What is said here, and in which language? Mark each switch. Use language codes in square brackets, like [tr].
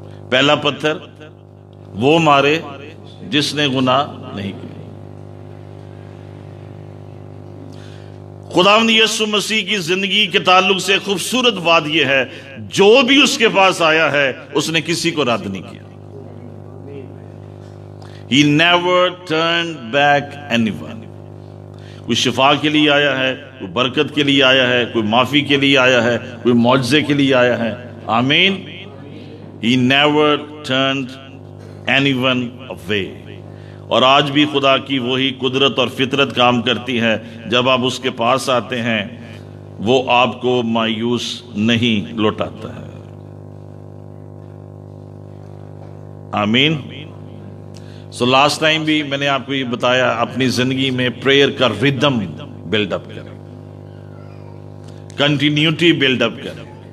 [hi] पहला पत्थर वो मारे जिसने गुनाह नहीं किया. खुदावंद यीशु मसीह की जिंदगी के ताल्लुक से खूबसूरत बात यह है, जो भी उसके पास आया है उसने किसी को रद्द नहीं किया. [en] He never turned back anyone. [hi] कोई शिफा के लिए आया है, कोई बरकत के लिए आया है, कोई माफी के लिए आया है, कोई मौजजे के लिए आया है. आमीन. [en] He never turned anyone away. [hi] और आज भी खुदा की वही कुदरत और फितरत काम करती है, जब आप उसके पास आते हैं वो आपको मायूस नहीं लौटाता है. आमीन. सो लास्ट टाइम भी मैंने आपको ये बताया, अपनी जिंदगी में प्रेयर का रिदम बिल्डअप करें, कंटिन्यूटी बिल्डअप करें.